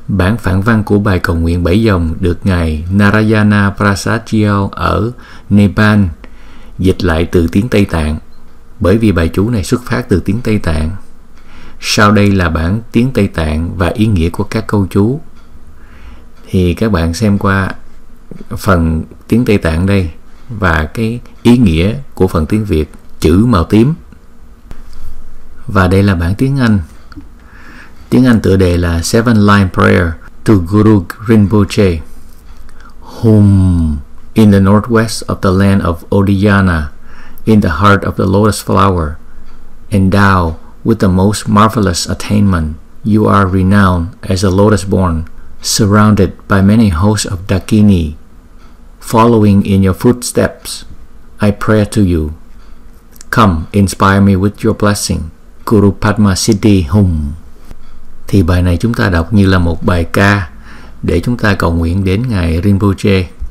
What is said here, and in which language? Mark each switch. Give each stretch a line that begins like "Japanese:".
Vietnamese: Bản phản văn của bài cầu nguyện bảy dòng được Ngài Narayana Prasadjiao ở Nepal dịch lại từ tiếng Tây Tạng, bởi vì bài chú này xuất phát từ tiếng Tây Tạng. Sau đây là bản tiếng Tây Tạng và ý nghĩa của các câu chú. Thì các bạn xem qua phần tiếng Tây Tạng đây và cái ý nghĩa của phần tiếng Việt chữ màu tím. Và đây là bản tiếng Anh. Tiếng Anh tựa đề là
English: Seven Line Prayer to Guru Rinpoche, whom in the northwest of the land of Odiyana, in the heart of the lotus flower, endowed with the most marvelous attainment, you are renowned as a lotus born, surrounded by many hosts of Dakini. Following in your footsteps, I pray to you. Come, inspire me with your blessing, Guru Padma Siddhi Hum.
Vietnamese: Thì bài này chúng ta đọc như là một bài ca để chúng ta cầu nguyện đến Ngài Rinpoche.